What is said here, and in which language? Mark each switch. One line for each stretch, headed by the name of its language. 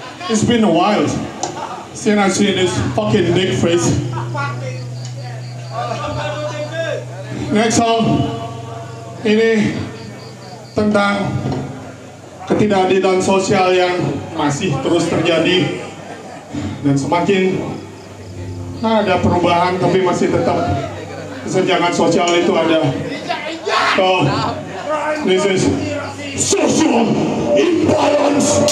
English: It's been a while since I've seen this fucking dick face. Next song,
Indonesian: ini tentang ketidakadilan sosial yang masih terus terjadi dan semakin ada perubahan tapi masih tetap kesenjangan sosial itu ada.
English: So, this is social imbalance.